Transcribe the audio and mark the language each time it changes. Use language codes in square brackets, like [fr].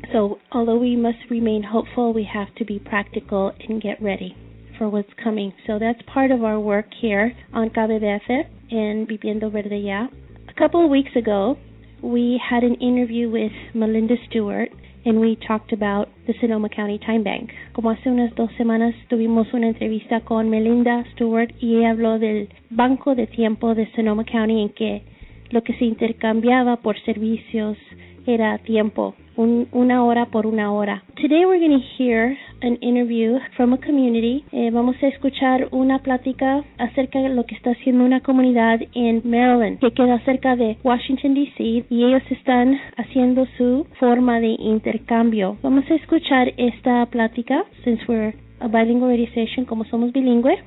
[en] So although we must remain hopeful, we have to be practical and get ready for what's coming. So that's part of our work here on KBBF and Viviendo Verde Ya. A couple of weeks ago, we had an interview with Melinda Stewart, and we talked about the Sonoma County Time Bank. [es] Como hace unas dos semanas tuvimos una entrevista con Melinda Stewart y ella habló del Banco de Tiempo de Sonoma County, en que lo que se intercambiaba por servicios era tiempo, una hora por una hora. [en] Today we're going to hear an interview from a community. [es] Vamos a escuchar una plática acerca de lo que está haciendo una comunidad en Maryland, que queda cerca de Washington, D.C., y ellos están haciendo su forma de intercambio. Vamos a escuchar esta plática, [en] since we're a bilingual radio station, [es] como somos bilingüe.